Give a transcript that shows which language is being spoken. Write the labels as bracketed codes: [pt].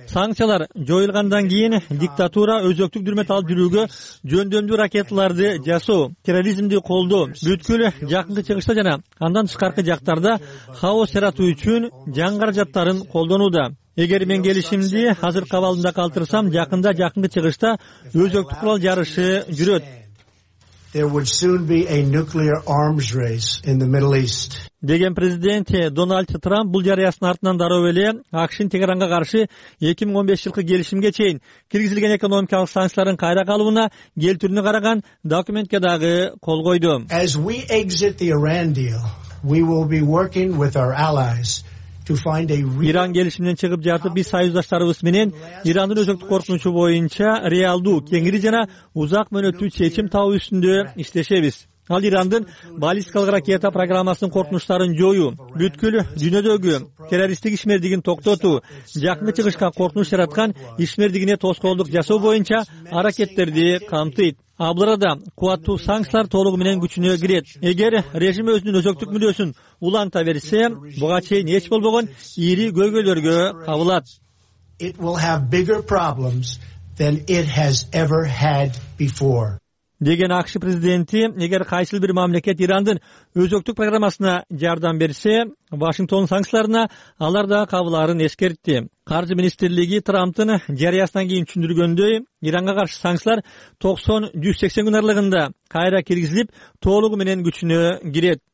[ky] Санкциялар жоюлгандан кийин диктатура өзөктүк дүрмөт алып жүрүүгө жөндөмдүү ракеталарды жасоо, терроризмди колдоо бүткүл жакынкы чыгышта жана андан тышкаркы жактарда хаос жаратуу үчүн жан каражаттарын колдонууда. Эгер мен келишимди азыр кабалында калтырсам, жакында жакынкы чыгышта өзөктүк курал жарышы жүрөт. [en] There would soon be a nuclear arms race in the Middle East. [ky] Деген президент Дональд Трамп бул жарыясынын артынан дароо эле АКШнын Тегеранга каршы 2015-жылкы келишимге чейин киргизилген экономикалык санкцияларын кайра калыбына келтирүүнү караган документке дагы кол койду. [en] As we exit the Iran deal, we will be working with our allies. [ky] Иран келишимден чыгып жатып, биз союздаштарыбыз менен Ирандын өзөктүк коркунучу боюнча реалдуу, кеңири жана узак мөөнөттүү чечим табуу үстүндө иштешебиз. Ал Ирандын баллистикалык ракета программасынын коркунучтарын жоюу, бүткүл дүйнөдөгү террористтик ишмердигин токтотуу, жакынкы чыгышка коркунуч жараткан ишмердигине тоскоолдук жасоо боюнча аракеттерди камтыйт. Абыл арада кубаттуу санкциялар толугу менен күчүнө кирет. Эгер режим өзүнүн өзөктүк мүлөсүн уланта берсе, буга чейин эч болбогон ири көйгөйлөргө кабылат. [en] It will have bigger problems than it has ever had before. [ky] деген АКШ президенти, эгер кайсыл бир мамлекет Ирандын өзөктүк программасына жардам берсе, Вашингтон санкцияларына алар да кабыларын эскертти. Каржы министрлиги Трамптын жарыясынан кийин түшүндүргөндөй, Иранга каршы санкциялар 90-180 күн аралыгында кайра киргизилип, толугу менен күчүнө кирет.